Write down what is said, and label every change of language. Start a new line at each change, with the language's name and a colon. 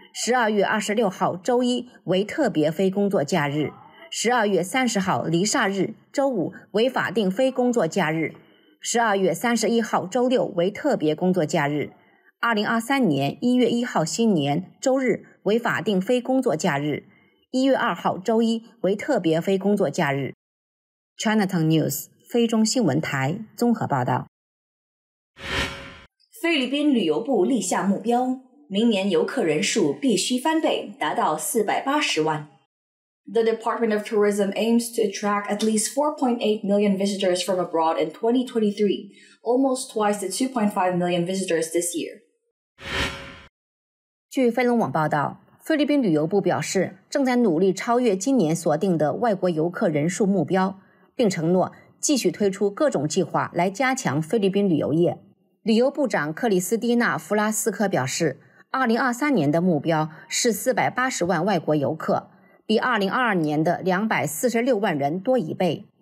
Chinese: ，12月26号周一为特别非工作假日，12月30号黎萨日周五为法定非工作假日，12月31号周六为特别工作假日，2023年1月1号新年周日为法定非工作假日，1月2号周一为特别非工作假日。 Cntv News 菲中新闻台综合报道。菲律宾旅游部立下目标，明年游客人数必须翻倍，达到480万。
English: The Department of Tourism aims to attract at least 4.8 million visitors from abroad in 2023, almost twice the 2.5 million visitors this year.
Chinese: 据飞龙网报道，菲律宾旅游部表示，正在努力超越今年锁定的外国游客人数目标，并承诺继续推出各种计划来加强菲律宾旅游业。旅游部长克里斯蒂娜·弗拉斯科表示，2023年的目标是480万外国游客，比2022年的246万人多一倍。